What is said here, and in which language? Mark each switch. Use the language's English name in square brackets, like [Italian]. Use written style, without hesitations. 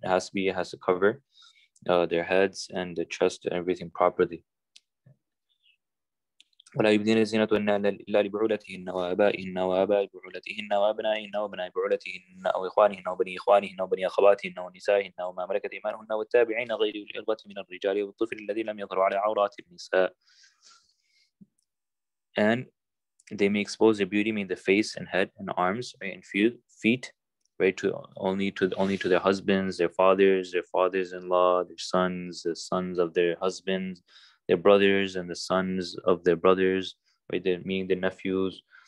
[English] It has to cover their heads and the chest and everything properly. [Arabic] ولا يبدين زينتهن إلا لبعولتهن أو آبائهن أو آباء بعولتهن أو أبنائهن أو أبناء بعولتهن أو إخوانهن أو بني إخوانهن أو بني أخواتهن أو نسائهن أو ما ملكت أيمانهن والتابعين غير أولي الإربة من الرجال والطفل الذين لم يظهروا على عورات النساء. [English] And they may expose their beauty, mean the face and head and arms and feet, right, only to their husbands, their fathers-in-law, their sons, the sons of their husbands, their brothers, and the sons of their brothers, right, meaning their nephews,